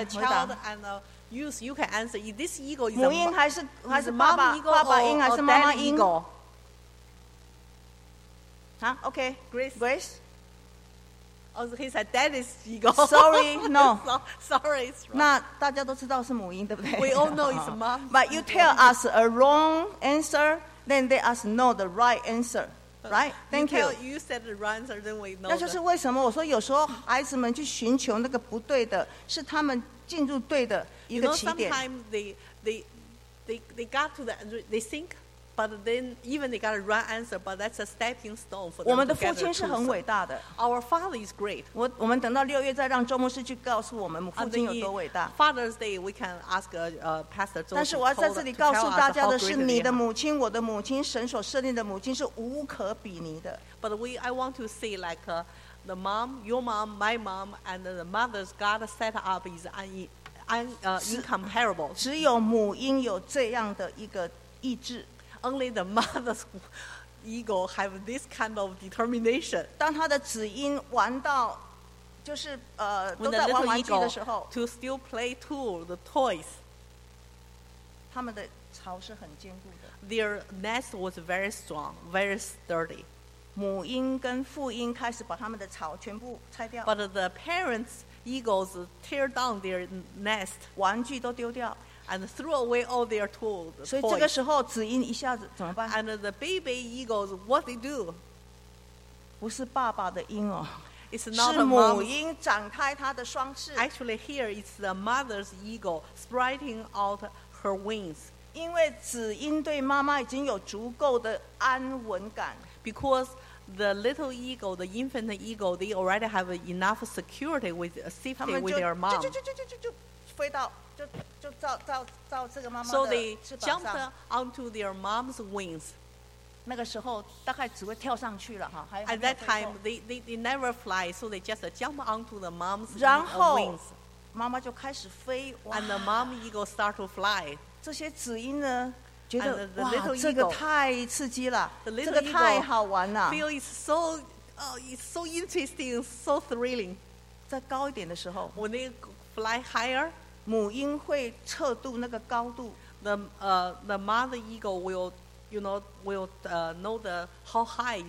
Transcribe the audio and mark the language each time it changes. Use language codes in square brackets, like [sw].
[en] Only the child and the youth, you can answer. Is this eagle is [zh] 母鹰还是爸爸 [en] eagle, [zh] 爸爸鹰还是妈妈鹰？好 ，Okay, [en] Grace. Oh, he said daddy's eagle. Sorry, no. Sorry, it's wrong. [zh] 那大家都知道是母鹰，对不对 [en] ？We all know it's mom. But you tell us a wrong answer, then they us know the right answer. Right, thank you. You said the wrong answer, then we know. [zh] 那就是为什么我说有时候孩子们去寻求那个不对的，是他们进入对的一个起点。 [en] You know, sometimes they got to the they think, but then even they got a wrong answer, but that's a stepping stone for. [zh] 我们的父亲是很伟大的。 [en] Our father is great. [zh] 我们等到六月再让周牧师去告诉我们父亲有多伟大。 [en] Father's Day, we can ask Pastor Zhou. [zh] 但是我要在这里告诉大家的是，你的母亲、我的母亲、神所设立的母亲是无可比拟的。 [en] But I want to say, like the mom, your mom, my mom, and the mothers God set up is incomparable. [zh] 只有母婴有这样的一个意志。 [en] Only the mother's ego have this kind of determination. [zh] 当他的子婴玩到。就是 [en] when the little eagle [zh] 都在玩玩具的时候 [en] to still play tool the toys [zh] 他们的巢是很坚固的 [en] their nest was very strong very sturdy [zh] 母鹰跟父鹰开始把他们的巢全部拆掉 [en] but the parents eagles tear down their nest [zh] 玩具都丢掉 [en] and threw away all their tools the [zh] 所以这个时候子鹰一下子怎么办 [en] and the baby eagles what they do [zh] 不是爸爸的鹰哦。 [en] It's not a mom. [zh] 是母鹰展开它的双翅。 [en] Actually, here it's the mother's eagle spreading out her wings. [zh] 因为子鹰对妈妈已经有足够的安稳感。 [en] Because the little eagle, the infant eagle, they already have enough security with safety with their mom. [zh] 就飞到就照这个妈妈的翅膀上。 [en] So they jumped onto their mom's wings. [zh] 那个时候大概只会跳上去了哈。 [en] At that time, they never fly, so they just jump onto the mom's wings. [zh] 然后妈妈就开始飞。 [en] And the mom eagle start to fly. [zh] 这些子鹰呢，觉得哇，这个太刺激了，这个太好玩了。 [en] Feel is so, it's so interesting, so thrilling. [zh] 在高一点的时候 [en] ，when they fly higher, [zh] 母鹰会测度那个高度。 [en] The mother eagle will. You know, will know the how high is